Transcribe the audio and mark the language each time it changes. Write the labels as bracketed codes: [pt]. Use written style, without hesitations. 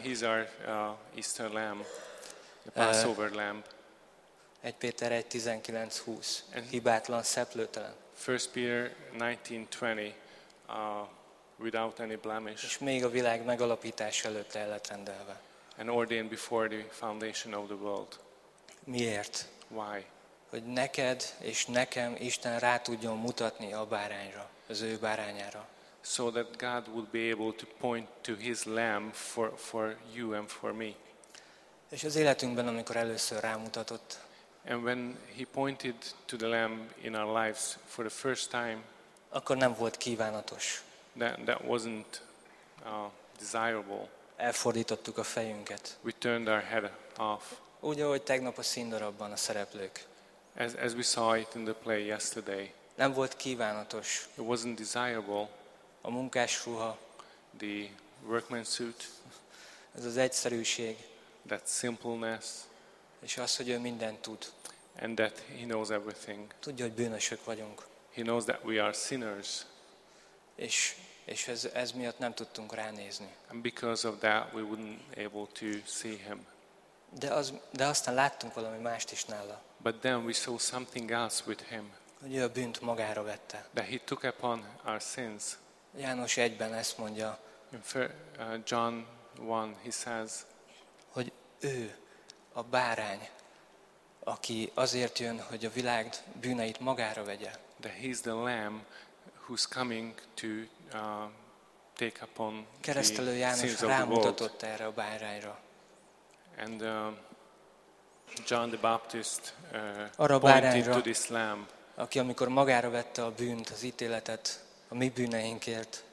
[en] He's our Easter lamb, the Passover lamb. [hu] 1 Péter 1:19-20. Hibátlan, szeplőtelen. [en] 1 Peter 19:20. Without any blemish. [hu] És még a világ megalapítás előtt el lett rendelve. [en] And ordained before the foundation of the world. [hu] Miért? [en] Why? [hu] Hogy neked és nekem Isten rá tudjon mutatni a bárányra, az ő bárányára. [en] So that God would be able to point to his lamb for you and for me. [hu] És az életünkben, amikor először rámutatott. [en] And when he pointed to the lamb in our lives for the first time. [hu] Akkor nem volt kívánatos. [en] That wasn't desirable. [hu] Elfordítottuk a fejünket. [en] We turned our head off. [hu] Úgy, ahogy tegnap a színdarabban a szereplők. [en] As we saw it in the play yesterday. [hu] Nem volt kívánatos. [en] It wasn't desirable. [hu] A munkás ruha. [en] The workman suit. [hu] Ez az egyszerűség. [en] That simpleness. [hu] És az, hogy ő mindent tud. [en] And that he knows everything. [hu] Tudja, hogy bűnösök vagyunk. [en] He knows that we are sinners. [hu] És ez miatt nem tudtunk ránézni. [en] And because of that we wouldn't able to see him. [hu] De aztán láttunk valami mást is nála. [en] But then we saw something else with him. [hu] Hogy ő a bűnt magára vette. [en] That he took upon our sins. [hu] János 1-ben ezt mondja. [en] John 1, he says, [hu] hogy ő a bárány, aki azért jön, hogy a világ bűneit magára vegye. [en] That he is the lamb who's coming to take upon the sins of the world. [hu] Keresztelő János rámutatott erre a bárányra. [en] And John the Baptist pointed to this lamb. [hu] Aki amikor magára vette a bűnt, az ítéletet a mi bűneinkért.